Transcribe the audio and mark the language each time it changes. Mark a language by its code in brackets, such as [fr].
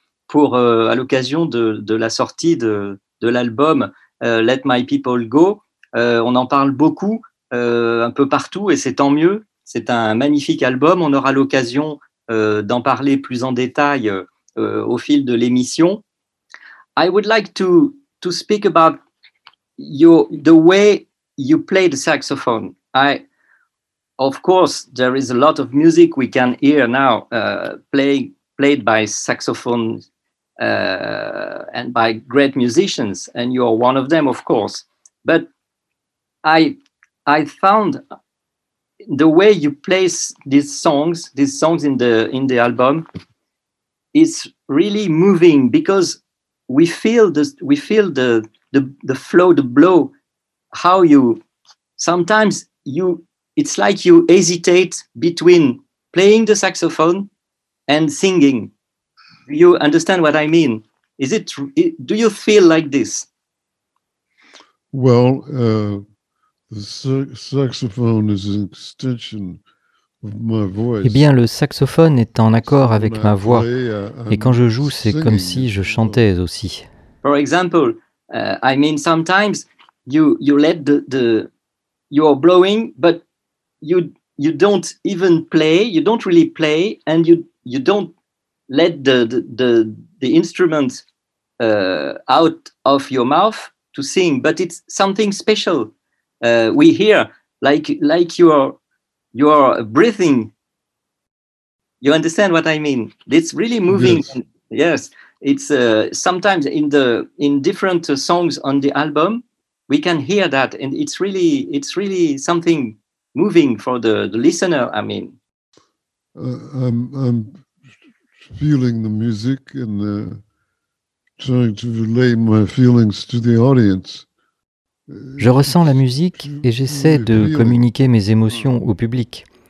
[fr] Pour à l'occasion de la sortie de l'album Let My People Go, on en parle beaucoup un peu partout et c'est tant mieux. C'est un magnifique album. On aura l'occasion d'en parler plus en détail au fil de l'émission. [en] I would like to speak about the way you play the saxophone. Of course, there is a lot of music we can hear now played by saxophone. And by great musicians, and you are one of them, of course. But I found the way you place these songs in the album is really moving, because we feel the flow, the blow, how you sometimes it's like you hesitate between playing the saxophone and singing. You understand what I mean? Is it? Do you feel like this? Well, the saxophone is an extension of my voice. [fr] Eh bien, le saxophone est en accord avec ma voix. Et quand je joue, c'est comme si je chantais aussi. [en] For example, I mean, sometimes you let the you are blowing, but you don't even play. You don't really play, and you don't let the instrument out of your mouth to sing, but it's something special we hear, like you are breathing. You understand what I mean? It's really moving. Yes. It's sometimes in different songs on the album, We can hear that, and it's really something moving for the listener. I mean, I'm feeling the music and trying to relay my feelings to the audience. [fr] Je ressens la musique et j'essaie de communiquer mes émotions au public.